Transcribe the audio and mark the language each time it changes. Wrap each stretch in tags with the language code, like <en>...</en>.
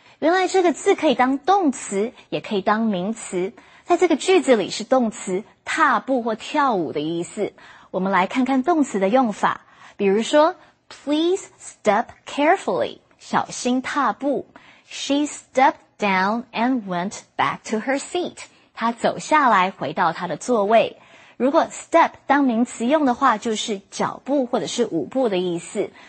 <zh>原来这个字可以当动词也可以当名词。在这个句子里是动词踏步或跳舞的意思。我们来看看动词的用法。比如说</zh> <en>,Please step carefully.</en> <zh>小心踏步。</zh> <en>She stepped down and went back to her seat.</en> <zh>她走下来回到她的座位。如果 step 当名词用的话就是脚步或者是舞步的意思。</zh>